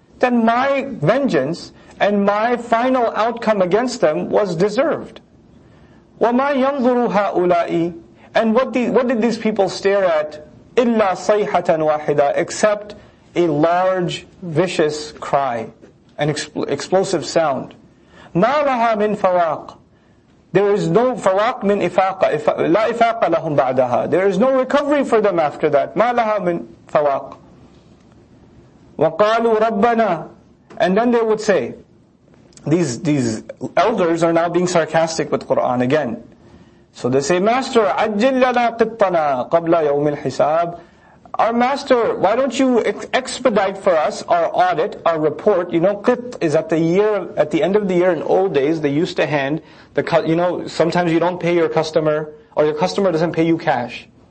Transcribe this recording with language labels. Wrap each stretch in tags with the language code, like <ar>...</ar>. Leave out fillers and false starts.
<en>Then my vengeance and my final outcome against them was deserved.</en> <ar>وَمَا يَنْظُرُ هَؤُلَاءِ,</ar> <en>and what did these people stare at?</en> <ar>إِلَّا صَيْحَةً وَاحِدًا,</ar> <en>except a large, vicious cry, an explosive sound.</en> <ar>مَا لَهَا مِنْ فَوَاقٍ.</ar> <en>There is no</en> <ar>فَوَاق مِنْ إِفَاقَ, لَا إِفَاقَ لَهُمْ بَعْدَهَا.</ar> <en>There is no recovery for them after that.</en> <ar>مَا لَهَا مِنْ فَوَاقٍ. وَقَالُوا رَبَّنَا,</ar> <en>and then they would say, These elders are now being sarcastic with Quran again. So they say, Master,</en> <ar>عَجِّلْ لَنَا قِطَّنَا قَبْلَ يَوْمِ الْحِسَابِ.</ar> <en>Our Master, why don't you expedite for us our audit, our report? You know, قِط is at the end of the year. In old days, they used to hand, you know, sometimes you don't pay your customer, or your customer doesn't pay you cash.</en>